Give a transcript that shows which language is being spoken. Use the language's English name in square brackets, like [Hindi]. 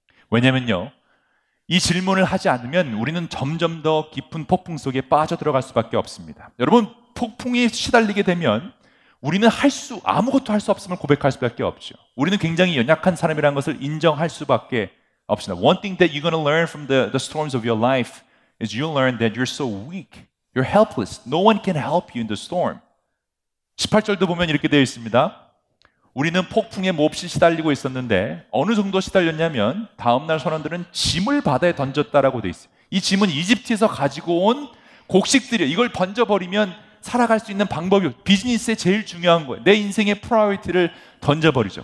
[Korean] 왜냐면요, 이 질문을 하지 않으면 우리는 점점 더 깊은 폭풍 속에 빠져들어갈 수밖에 없습니다. 여러분, 폭풍이 시달리게 되면 우리는 아무것도 할 수 없음을 고백할 수밖에 없죠. 우리는 굉장히 연약한 사람이라는 것을 인정할 수밖에 없습니다. [English] One thing that you're going to learn from the storms of your life is you'll learn that you're so weak. You're helpless. No one can help you in the storm. [Korean] 18절도 보면 이렇게 되어 있습니다. 우리는 폭풍에 몹시 시달리고 있었는데 어느 정도 시달렸냐면 다음날 선원들은 짐을 바다에 던졌다라고 돼 있어요. 이 짐은 이집트에서 가지고 온 곡식들이에요. 이걸 던져버리면 살아갈 수 있는 방법이 비즈니스의 제일 중요한 거예요. 내 인생의 프라이어리티를 던져버리죠.